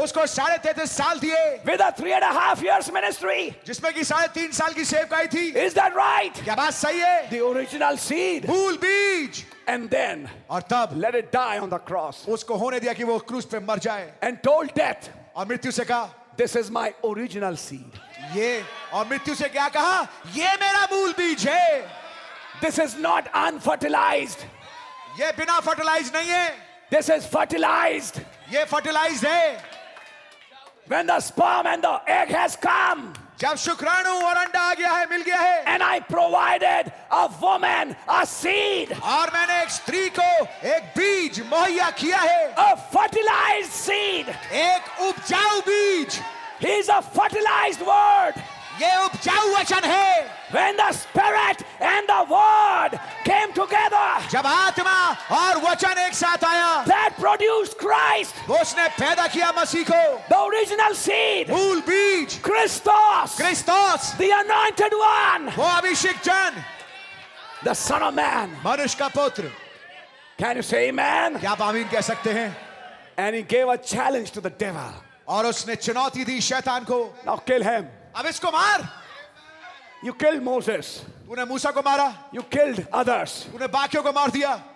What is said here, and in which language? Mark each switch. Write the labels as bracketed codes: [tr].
[hi] उसको 33.5 साल दिए। [en] With a 3.5 years ministry. [hi] जिसमें की 3.5 साल की सेवकाई थी। [en] Is that right? [hi] क्या बात सही है? [en] The original seed. [hi] मूल बीज। [en] And then, [hi] और तब, [en] let it die on the cross. [hi] उसको होने दिया कि वो क्रूस पे मर जाए। [en] And told death, [hi] और मृत्यु से कहा, [en] this is my original seed. [hi] ये, और मृत्यु से क्या कहा? ये मेरा मूल बीज है। [en] This is not unfertilized. [hi] ये बिना fertilized नहीं है। [en] This is fertilized. [hi] ये fertilized है। [en] When the sperm and the egg has come. [hi] जब शुक्राणु और अंडा आ गया है, मिल गया है। [en] And I provided a woman a seed. [hi] और मैंने एक स्त्री को एक बीज मुहैया किया है। [en] A fertilized seed. [hi] एक उपजाऊ बीज। [en] He is a fertilized word. [hi] ये उपजाऊ वचन है। [en] When the spirit and the word came together. [hi] जब आत्मा और वचन एक साथ आया। [en] That produced Christ. [hi] उसने पैदा किया मसीह को। [en] The original seed. [hi] मूल बीज। Christos. Christos. [en] The anointed one. [hi] वो अभिषिक्त जन। [en] The son of man. [hi] मनुष्य का पुत्र। [en] Can you say amen? [hi] क्या आप आमीन कह सकते हैं? [en] And he gave a challenge to the devil. [hi] और उसने चुनौती दी शैतान को. [en] Now kill him. [hi] अब इसको मार. [en] You killed Moses. [hi] तूने मूसा को मारा. [en] You killed others. [hi] तूने बाकियों को मार दिया.